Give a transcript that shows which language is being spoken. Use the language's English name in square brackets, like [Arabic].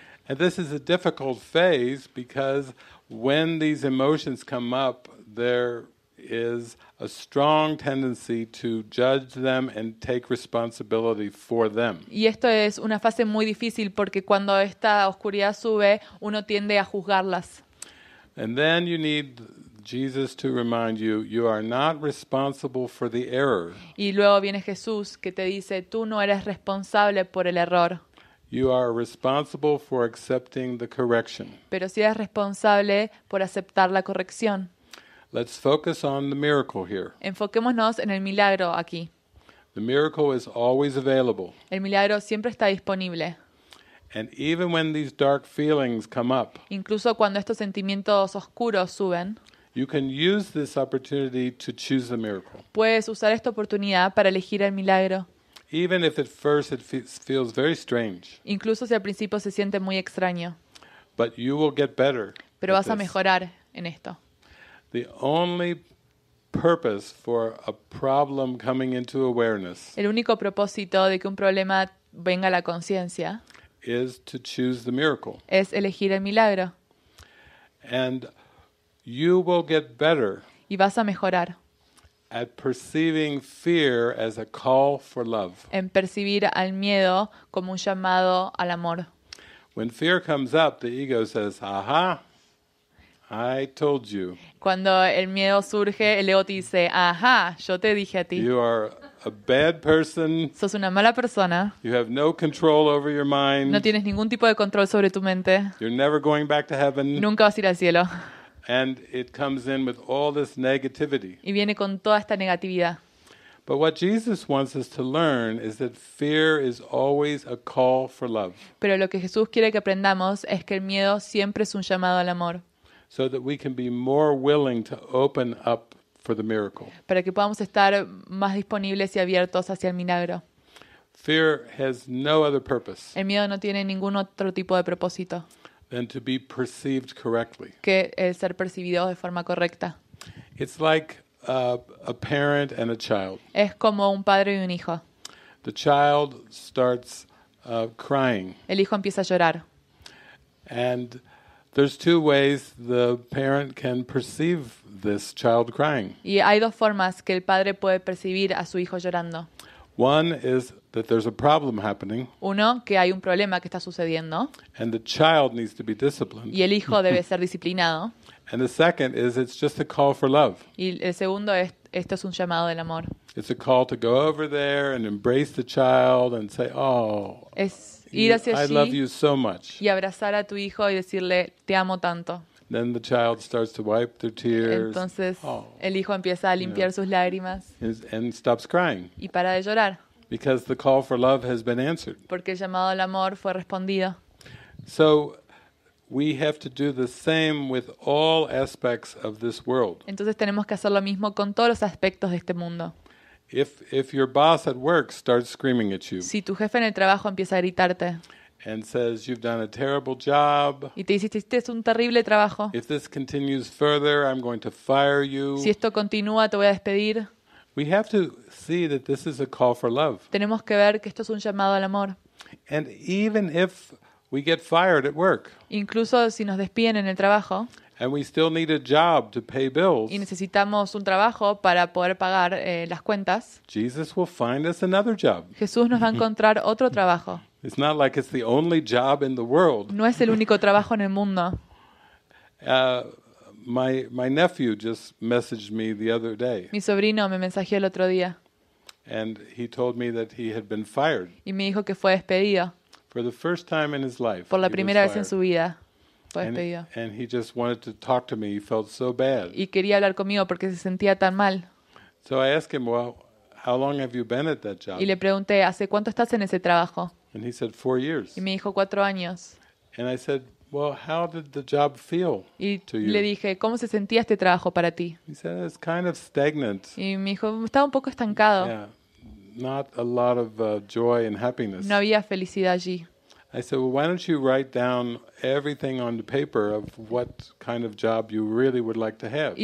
[English] And this is a difficult phase because when these emotions come up, there is a strong tendency to judge them and take responsibility for them. [Spanish] Y esto es una fase muy difícil porque cuando esta oscuridad sube, uno tiende a juzgarlas. [English] And then you need Jesus to remind you, you are not responsible for the error. [Spanish] Y luego viene Jesús que te dice, tú no eres responsable por el error. [English] You are responsible for accepting the correction. [Spanish] Pero sí eres responsable por aceptar la corrección. [English] Let's focus on the miracle here. [Spanish] Enfoquémonos en el milagro aquí. [English] The miracle is always available. [Spanish] El milagro siempre está disponible. [English] And even when these dark feelings come up. [Spanish] Incluso cuando estos sentimientos oscuros suben. [English] You can use this opportunity to choose the miracle. [Spanish] Puedes usar esta oportunidad para elegir el milagro. [English] Even if at first it feels very strange. [Spanish] Incluso si al principio se siente muy extraño. [English] But you will get better. [Spanish] Pero vas a mejorar en esto. [English] The only purpose for a problem coming into awareness. [Spanish] El único propósito de que un problema venga a la conciencia [English] is to choose the miracle. [Spanish] Es elegir el milagro. [English] And you will get better. [Spanish] Y vas a mejorar. [English] At perceiving fear as a call for love. [Spanish] En percibir al miedo como un llamado al amor. [English] When fear comes up, the ego says, "Aha, I told you." [Spanish] Cuando el miedo surge, el ego te dice, "Aha, yo te dije a ti." [English] You are a bad person. [Spanish] Sos una mala persona. [English] You have no control over your mind. [Spanish] No tienes ningún tipo de control sobre tu mente. [English] You're never going back to heaven. [Spanish] Nunca vas a ir al cielo. [English] And it comes in with all this negativity. [Spanish] Y viene con toda esta negatividad. [English] But what Jesus wants us to learn is that fear is always a call for love. [Spanish] Pero lo que Jesús quiere que aprendamos es que el miedo siempre es un llamado al amor. [English] So that we can be more willing to open up for the miracle. [Spanish] Para que podamos estar más disponibles y abiertos hacia el milagro. [English] Fear has no other purpose. [Spanish] El miedo no tiene ningún otro tipo de propósito. [English] Than to be perceived correctly. [Spanish] Que el ser percibido de forma correcta. [English] It's like a parent and a child. [Spanish] Es como un padre y un hijo. [English] The child starts crying. [Spanish] El hijo empieza a llorar. [English] And there's two ways the parent can perceive this child crying. [Spanish] Y hay dos formas que el padre puede percibir a su hijo llorando. [English] One is that there's a problem happening. [Spanish] Uno, que hay un problema que está sucediendo. [English] And the child needs to be disciplined. [Spanish] Y el hijo debe ser disciplinado. [English] And the second is it's just a call for love. [Spanish] Y el segundo es esto es un llamado del amor. [English] It's a call to go over there and embrace the child and say, "Oh, [Spanish] es ir hacia allí [English] I love you so much." [Spanish] Y abrazar a tu hijo y decirle, "Te amo tanto." [English] Then the child starts to wipe their tears. [Spanish] Entonces el hijo empieza a limpiar sus lágrimas. [English] And stops crying. [Spanish] Y para de llorar. [English] Because the call for love has been answered. [Spanish] Porque el llamado al amor fue respondido. [English] So we have to do the same with all aspects of this world. [Spanish] Entonces tenemos que hacer lo mismo con todos los aspectos de este mundo. [English] If your boss at work starts screaming at you. [Spanish] Si tu jefe en el trabajo empieza a gritarte. [English] And says you've done a terrible job. [Spanish] Y te hiciste un terrible trabajo. [English] If this continues further, I'm going to fire you. [Spanish] Si esto continúa, te voy a despedir. [English] We have to see that this is a call for love. [Spanish] Tenemos que ver que esto es un llamado al amor. [English] And even if we get fired at work. [Spanish] Incluso si nos despiden en el trabajo. [English] And we still need a job to pay bills. [Spanish] Y necesitamos un trabajo para poder pagar las cuentas. [English] Jesus will find us another job. [Spanish] Jesús nos va a encontrar otro trabajo. [English] It's not like it's the only job in the world. [Spanish] No es el único trabajo en el mundo. [English] My nephew just messaged me the other day. [Spanish] Mi sobrino me mensajeó el otro día. [English] And he told me that he had been fired. [Spanish] Y me dijo que fue despedido. [English] For the first time in his life. [Spanish] Por la primera vez en su vida. fue despedido. [English] And he just wanted to talk to me. He felt so bad. [Spanish] Y quería hablar conmigo porque se sentía tan mal. [English] So I asked him, well, how long have you been at that job? [Spanish] Y le pregunté, ¿hace cuánto estás en ese trabajo? [English] And he said 4 years. [Spanish] Y me dijo 4 años. [English] And I said, well, how did the job feel to you? [Spanish] Y le dije, ¿cómo se sentía este trabajo para ti? [English] He said, it's kind of stagnant. [Spanish] Y me dijo, estaba un poco estancado. [English] Yeah, not a lot of joy and happiness. [Spanish] No había felicidad allí. [English] I said, well, why don't you write down everything on the paper of what kind of job you really would like to have?